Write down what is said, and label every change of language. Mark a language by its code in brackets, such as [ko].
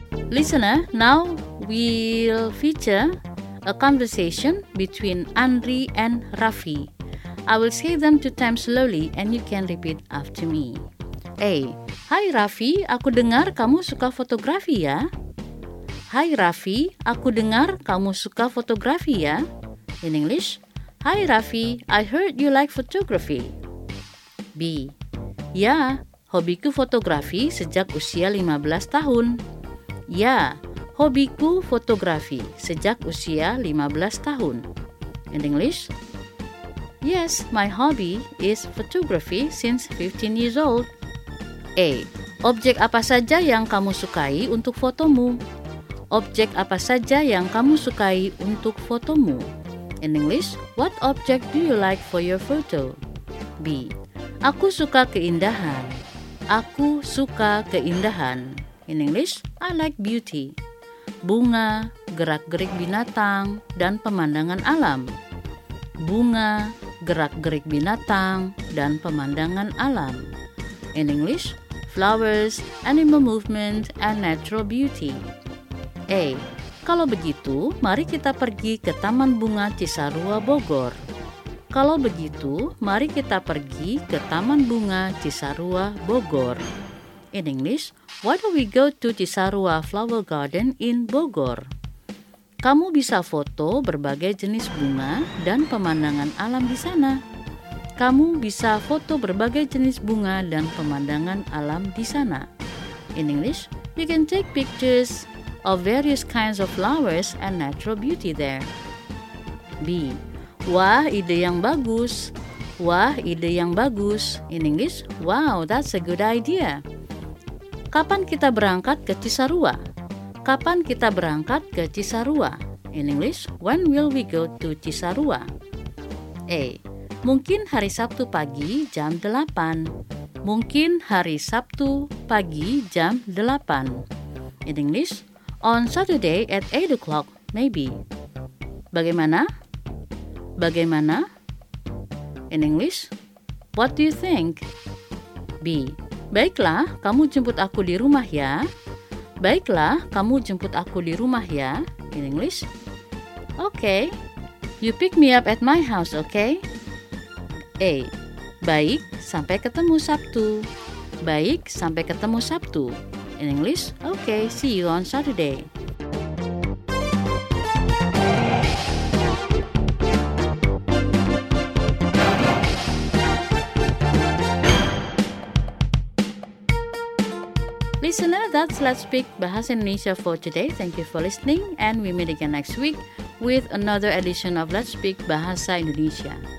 [en] Listener, now we'll feature a conversation between Andri and Raffi. I will say them 2 times slowly and you can repeat after me. [id] Hey, hi Raffi, aku dengar kamu suka fotografi ya. Hi Raffi, aku dengar kamu suka fotografi ya. [en] In English, hi Raffi, I heard you like photography. [id] B, ya, hobiku fotografi sejak usia 15 tahun. Ya, hobiku fotografi sejak usia 15 tahun. [en] In English, yes, my hobby is photography since 15 years old. [id] A, objek apa saja yang kamu sukai untuk fotomu? Objek apa saja yang kamu sukai untuk fotomu? [en] In English, what object do you like for your photo? B, [id] aku suka keindahan. Aku suka keindahan. [en] In English, I like beauty. [id] Bunga, gerak-gerik binatang, dan pemandangan alam. Bunga, gerak-gerik binatang, dan pemandangan alam. [en] In English, flowers, animal movement, and natural beauty. [id] A. Kalau begitu, mari kita pergi ke Taman Bunga Cisarua Bogor. Kalau begitu, mari kita pergi ke Taman Bunga Cisarua Bogor. [en] In English, why don't we go to Cisarua Flower Garden in Bogor? [id] Kamu bisa foto berbagai jenis bunga dan pemandangan alam di sana. Kamu bisa foto berbagai jenis bunga dan pemandangan alam di sana. [en] In English, you can take pictures of various kinds of flowers and natural beauty there. B. [id] Wah, ide yang bagus. Wah, ide yang bagus. [en] In English, wow, that's a good idea. [id] Kapan kita berangkat ke Cisarua? Kapan kita berangkat ke Cisarua? [en] In English, when will we go to Cisarua? A. [id] Mungkin hari Sabtu pagi jam 8. Mungkin hari Sabtu pagi jam 8. [en] In English, on Saturday at 8 o'clock, maybe. [id] Bagaimana? Bagaimana? [en] In English, what do you think? B. [id] Baiklah, kamu jemput aku di rumah ya. Baiklah, kamu jemput aku di rumah ya. [en] In English, okay. You pick me up at my house, okay? A. [id] Baik, sampai ketemu Sabtu. Baik, sampai ketemu Sabtu. [en] In English, okay, see you on Saturday. Listener, that's Let's Speak Bahasa Indonesia for today. Thank you for listening, and we meet again next week with another edition of Let's Speak Bahasa Indonesia.